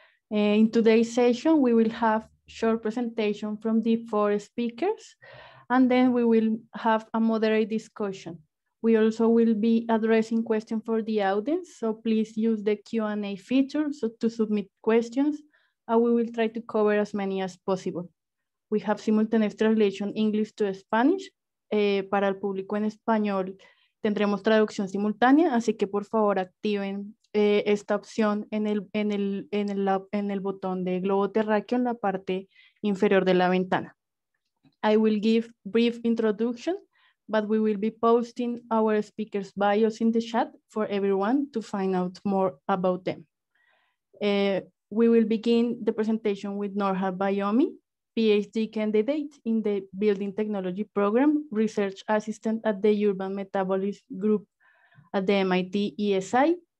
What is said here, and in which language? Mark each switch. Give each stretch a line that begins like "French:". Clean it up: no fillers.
English: In today's session, we will have short presentation from the four speakers, and then we will have a moderate discussion. We also will be addressing questions for the audience, so please use the Q&A feature to submit questions, and we will try to cover as many as possible. We have simultaneous translation English to Spanish.
Spanish: Para el público en español, tendremos traducción simultánea, así que por favor activen esta opción en el botón de globo terráqueo en la parte inferior de la ventana.
English: I will give brief introduction, but we will be posting our speakers' bios in the chat for everyone to find out more about them. We will begin the presentation with Norhan Bayomi, PhD candidate in the Building Technology Program, research assistant at the Urban Metabolism Group at the MIT ESI.